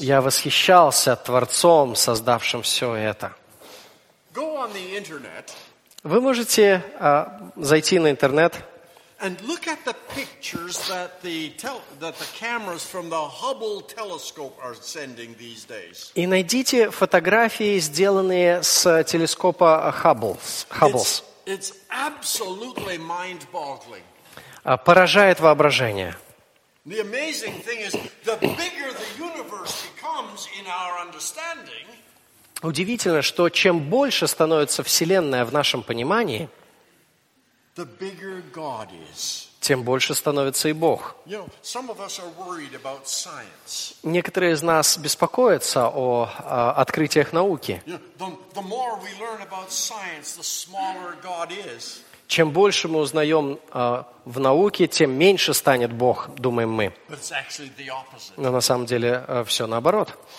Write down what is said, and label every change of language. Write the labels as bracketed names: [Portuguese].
[Russian] Я восхищался Творцом, создавшим все это. [English] Go on the internet. [Russian] Вы можете зайти на интернет. [English] And look at the pictures that the cameras from the Hubble telescope are sending these days. [Russian] И найдите фотографии, сделанные с телескопа Хаббл. [English] It's absolutely mind-boggling. [Russian] Поражает воображение. [English] The amazing thing is, the bigger the universe becomes in our understanding. [Russian] Удивительно, что чем больше становится Вселенная в нашем понимании, [English] the bigger God is. [Russian] Тем больше становится и Бог. [English] You know, some of us are worried about science. [Russian] Некоторые из нас беспокоятся о открытиях науки. [English] You know, the more we learn about science, the smaller God is. [Russian] Чем больше мы узнаем в науке, тем меньше станет Бог, думаем мы. Но на самом деле все наоборот.